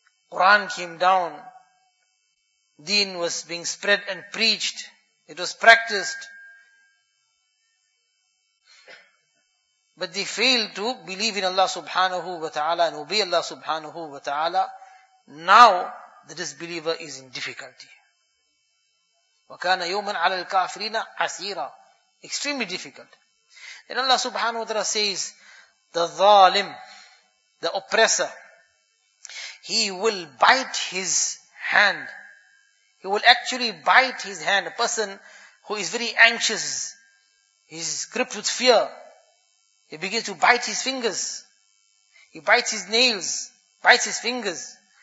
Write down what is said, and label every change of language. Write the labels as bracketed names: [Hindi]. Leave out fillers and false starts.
[English] Quran came down. Deen was being spread and preached. It was practiced. But they failed to believe in Allah subhanahu wa ta'ala and obey Allah subhanahu wa ta'ala. Now, the disbeliever is in difficulty. [Arabic] وَكَانَ يَوْمًا عَلَى الْكَافِرِينَ عَسِيرًا [English] Extremely difficult. Then Allah subhanahu wa ta'ala says, the ظالم, the oppressor, he will bite his hand. He will actually bite his hand. A person who is very anxious, he's gripped with fear, he begins to bite his fingers, he bites his nails, bites his fingers.